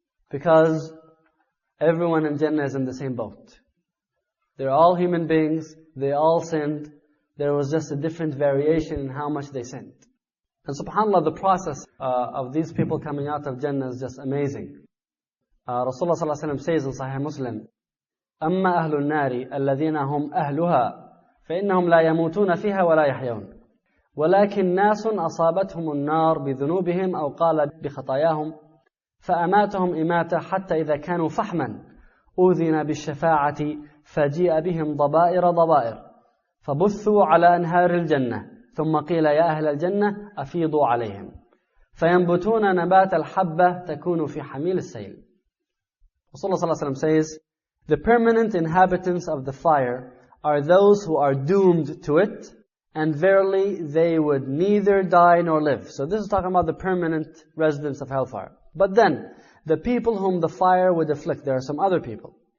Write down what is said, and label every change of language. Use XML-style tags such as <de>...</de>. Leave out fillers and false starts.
<en>Because everyone in Jannah is in the same boat. They're all human beings, they all sinned, there was just a different variation in how much they sinned. And subhanAllah, the process of these people coming out of Jannah is just amazing.</en> <ar>Rasulullah sallallahu alayhi wa sallam</ar> <en>says in Sahih Muslim,</en> <ar>أَمَّا أَهْلُ النَّارِ الَّذِينَ هُمْ أَهْلُهَا فَإِنَّهُمْ لَا يَمُوتُونَ فِيهَا وَلَا يَحْيَوْنَ وَلَكِنْ نَاسٌ أَصَابَتْهُمُ النَّارِ بِذُنُوبِهِمْ أَوْ قَالَ بِخَطَيَاهُمْ فَأَمَاتَهُمْ إِمَاتَ حَتَّى إِذَا كَانُوا فَحْمًا أُوذِنَ بِالشَّفَاعَةِ فَجِئَ بِهِمْ ضَبَائِرَ ضَبَائِرَ فَبُثُّوا عَلَى أَنْهَارِ الْجَنَّةِ ثُمَّ قِيلَ يَا أَهْلَ الْجَنَّةِ أَفِيضُوا عَلَيْهِمْ فَيَنْبُتُونَ نَبَاتَ الْحَبَّةِ تَكُونُ فِي حَمِيلِ السَّيْلِ.</ar> <en>Rasulullah sallallahu alayhi wa sallam says, the permanent inhabitants of the fire are those who are doomed to it, and verily they would neither die nor live. So this is talking about the permanent residents of hellfire. But then, the people whom the fire would afflict, there are some other people.</en>